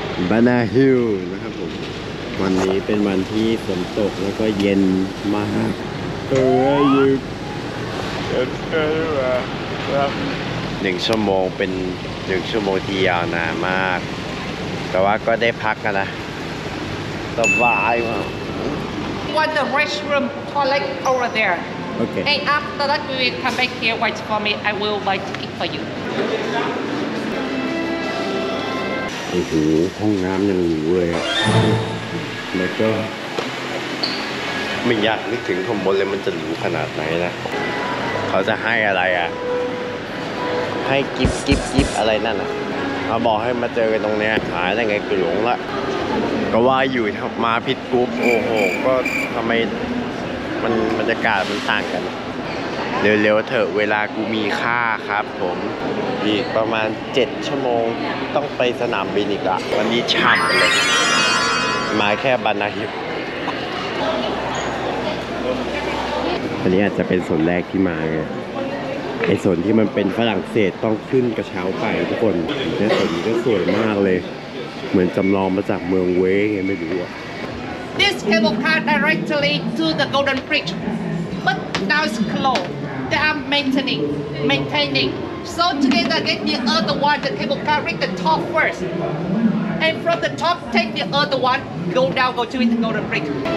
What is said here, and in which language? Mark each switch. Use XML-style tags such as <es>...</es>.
<th>บานาฮิลนะครับผมวันนี้เป็นวันที่ฝนตกแล้วก็เย็นมาก เอออยู่เจ็ดชั่วโมง 1ชั่วโมงเป็น1ชั่วโมงที่ยาวนานมากแต่ว่าก็ได้พักกันนะสบายมาก</th> <en>What the restroom toilet over there Okay Hey after that we will come back here wait for me I will buy ticket for you</en> <th>โอ้โหห้องน้ำยังหรูเลยแล้วก็ ไม่อยากนึกถึงข้างบนเลยมันจะหรูขนาดไหนนะเขาจะให้อะไรอ่ะให้กิฟต์กิฟต์กิฟต์อะไรนั่นอ่ะเขาบอกให้มาเจอกันตรงเนี้ยหายได้ไงกูหลงละก็ว่าอยู่มาผิดกรุ๊ปโอ้โหก็ทำไมมันบรรยากาศมันต่างกันเร็วๆเถอะเวลากูมีค่าครับผมอีกประมาณ7ชั่วโมงต้องไปสนามบินอีกอ่ะวันนี้ฉ่ำเลยมาแค่บานาฮิล วันนี้อาจจะเป็นส่วนแรกที่มาไงไอ้ส่วนที่มันเป็นฝรั่งเศสต้องขึ้นกระเช้าไปทุกคนเนี่ยส่วนนี้ก็สวยมากเลยเหมือนจำลองมาจากเมืองเวย์ไงไม่รู้อ่ะ</th> <en>This cable car directly to the Golden Bridge but now it's closed they are maintaining so together get the other one the cable car reach the top first and from the top take the other one go down go to the Golden Bridge</en>